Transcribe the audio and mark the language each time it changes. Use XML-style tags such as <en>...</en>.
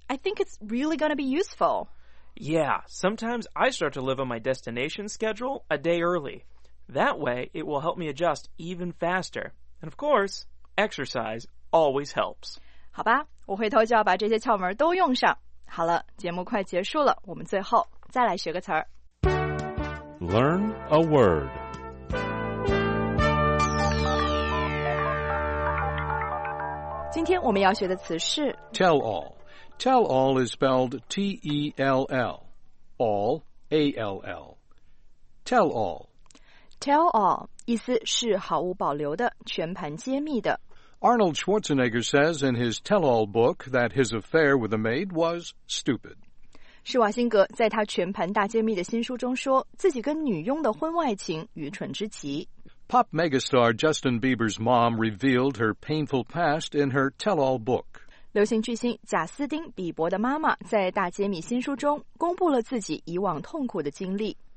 <en>I think it's really going to be useful. Yeah, sometimes I start to live on my destination schedule a day early. That way, it will help me adjust even faster. And of course, exercise always helps.</en> <zh>好吧，我回头就要把这些窍门都用上。好了，节目快结束了，我们最后再来学个词儿。</zh> <en>Learn a word. Today,</en> <zh>我们要学的词是</zh> <en>tell all. Tell all is spelled T-E-L-L, all, A-L-L. Tell all.</en> <zh>Tell all, 意思是毫无保留的，全盘揭秘的。</zh> <en>Arnold Schwarzenegger says in his tell-all book that his affair with a maid was stupid.</en> <zh>施瓦辛格在他全盘大揭秘的新书中说，自己跟女佣的婚外情愚蠢之极。</zh> <en>Pop megastar Justin Bieber's mom revealed her painful past in her tell-all book.</en> <zh>流行巨星贾斯汀·比伯的妈妈在大揭秘新书中公布了自己以往痛苦的经历。</zh>